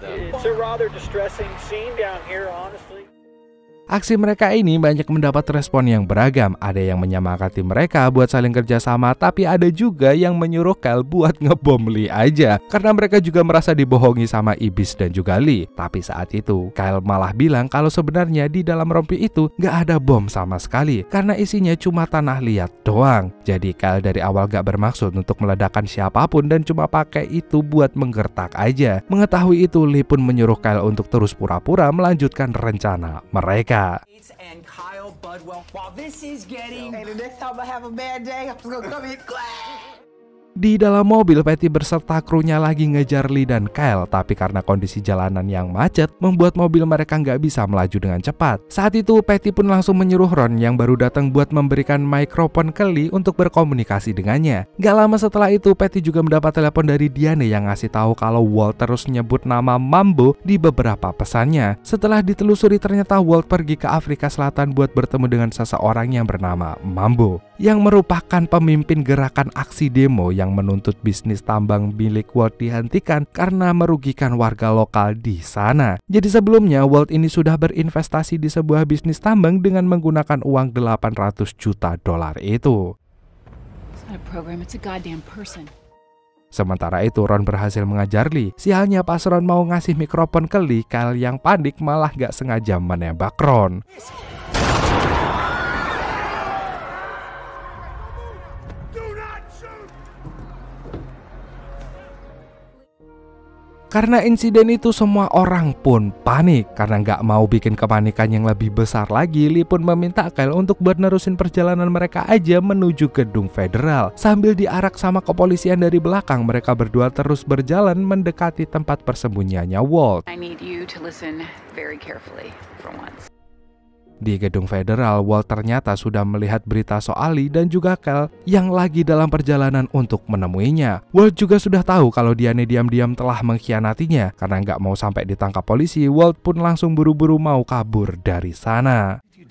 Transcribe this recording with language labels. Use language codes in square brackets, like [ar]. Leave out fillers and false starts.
[en] It's a rather distressing scene down here, honestly. [id] Aksi mereka ini banyak mendapat respon yang beragam. Ada yang menyemangati mereka buat saling kerjasama, tapi ada juga yang menyuruh Kyle buat ngebom Lee aja karena mereka juga merasa dibohongi sama Ibis dan juga Lee. Tapi saat itu Kyle malah bilang kalau sebenarnya di dalam rompi itu gak ada bom sama sekali karena isinya cuma tanah liat doang. Jadi Kyle dari awal gak bermaksud untuk meledakkan siapapun dan cuma pakai itu buat menggertak aja. Mengetahui itu, Lee pun menyuruh Kyle untuk terus pura-pura melanjutkan rencana mereka. [en] And Kyle Budwell, while this is getting... Hey, the next time I have a bad day, I'm just gonna come here. [id] Di dalam mobil, Patty berserta krunya lagi ngejar Lee dan Kyle, tapi karena kondisi jalanan yang macet, membuat mobil mereka nggak bisa melaju dengan cepat. Saat itu, Patty pun langsung menyuruh Ron yang baru datang buat memberikan mikrofon ke Lee untuk berkomunikasi dengannya. Nggak lama setelah itu, Patty juga mendapat telepon dari Diane yang ngasih tahu kalau Walt terus nyebut nama Mambo di beberapa pesannya. Setelah ditelusuri, ternyata Walt pergi ke Afrika Selatan buat bertemu dengan seseorang yang bernama Mambo, yang merupakan pemimpin gerakan aksi demo yang menuntut bisnis tambang milik Walt dihentikan karena merugikan warga lokal di sana. Jadi sebelumnya, Walt ini sudah berinvestasi di sebuah bisnis tambang dengan menggunakan uang $800 juta itu. [en] It's not a program, it's a goddamn person. [id] Sementara itu, Ron berhasil mengajar Lee. Sialnya, pas Ron mau ngasih mikrofon ke Lee, Kyle yang panik malah gak sengaja menembak Ron. Karena insiden itu semua orang pun panik. Karena gak mau bikin kepanikan yang lebih besar lagi, Lee pun meminta Kyle untuk buat nerusin perjalanan mereka aja menuju gedung federal. Sambil diarak sama kepolisian dari belakang, mereka berdua terus berjalan mendekati tempat persembunyiannya Walt. [en] I need you to listen very carefully for once. [id] Di gedung federal, Walt ternyata sudah melihat berita soal Lee dan juga Kyle yang lagi dalam perjalanan untuk menemuinya. Walt juga sudah tahu kalau Diane diam-diam telah mengkhianatinya. Karena nggak mau sampai ditangkap polisi, Walt pun langsung buru-buru mau kabur dari sana.